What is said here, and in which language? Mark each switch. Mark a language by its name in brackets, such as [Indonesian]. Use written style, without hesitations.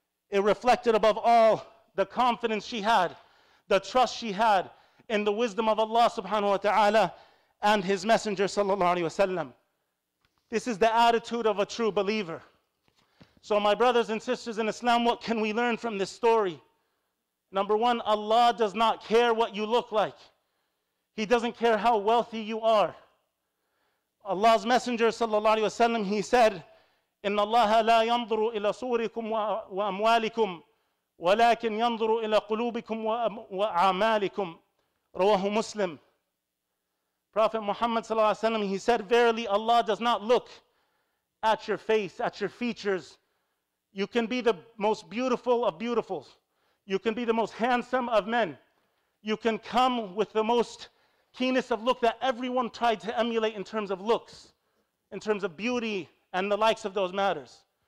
[English] It reflected above all the confidence she had, the trust she had in the wisdom of Allah subhanahu wa ta'ala and his messenger sallallahu alayhi wa sallam. This is the attitude of a true believer. So my brothers and sisters in Islam, what can we learn from this story? Number one, Allah does not care what you look like. He doesn't care how wealthy you are. Allah's messenger sallallahu alayhi wa sallam, he said, [Arabic] إن الله لا ينظر إلى صوركم وأموالكم ولكن ينظر إلى قلوبكم وأعمالكم رواه مسلم. [English] Prophet Muhammad sallallahu alaihi wasallam, he said, verily Allah does not look at your face, at your features. You can be the most beautiful of beautifuls. You can be the most handsome of men. You can come with the most keenest of look that everyone tried to emulate in terms of looks, in terms of beauty, and the likes of those matters.